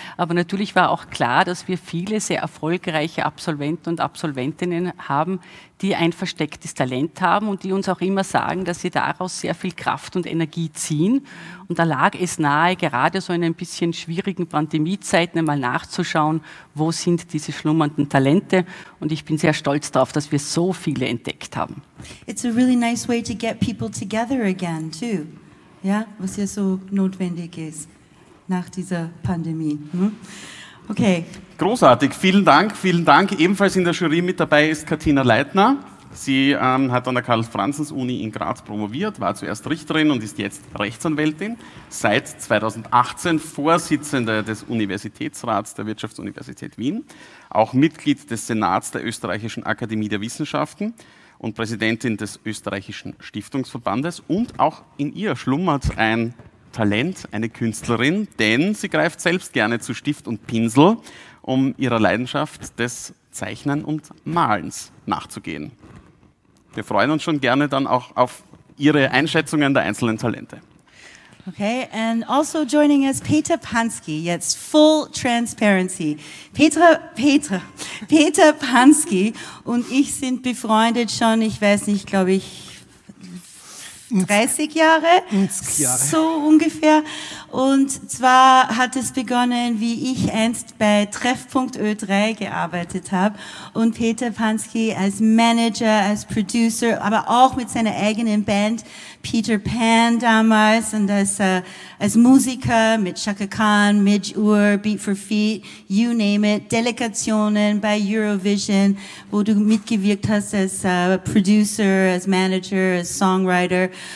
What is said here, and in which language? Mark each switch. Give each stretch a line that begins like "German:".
German: Aber natürlich war auch klar, dass wir viele sehr erfolgreiche Absolventen und Absolventinnen haben, die ein verstecktes Talent haben und die uns auch immer sagen, dass sie daraus sehr viel Kraft und Energie ziehen. Und da lag es nahe, gerade so in ein bisschen schwierigen Pandemiezeiten einmal nachzuschauen, wo sind diese schlummernden Talente. Und ich bin sehr stolz darauf, dass wir so viele entdeckt haben.
English: It's a really nice way to get people together again too, ja?
German: Was ja so notwendig ist nach dieser Pandemie. Okay. Großartig, vielen Dank. Ebenfalls in der Jury mit dabei ist Katina Leitner. Sie hat an der Karl-Franzens-Uni in Graz promoviert, war zuerst Richterin und ist jetzt Rechtsanwältin, seit 2018 Vorsitzende des Universitätsrats der Wirtschaftsuniversität Wien, auch Mitglied des Senats der Österreichischen Akademie der Wissenschaften und Präsidentin des Österreichischen Stiftungsverbandes. Und auch in ihr schlummert ein Talent, eine Künstlerin, denn sie greift selbst gerne zu Stift und Pinsel, um ihrer Leidenschaft des Zeichnen und Malens nachzugehen. Wir freuen uns schon gerne dann auch auf Ihre Einschätzungen der einzelnen Talente.
English: Okay, and also joining us, Peter Pansky, jetzt full transparency.
German: Peter Pansky und ich sind befreundet schon, ich weiß nicht, glaube ich, 30 Jahre, so ungefähr. Und zwar hat es begonnen, wie ich einst bei Treffpunkt Ö3 gearbeitet habe und Peter Pansky als Manager, als Producer, aber auch mit seiner eigenen Band Peter Pan damals und als Musiker mit Chaka Khan, Midge Ure, Beat for Feet,
English: you name it,
German: Delegationen bei Eurovision, wo du mitgewirkt hast als Producer, als Manager, als Songwriter.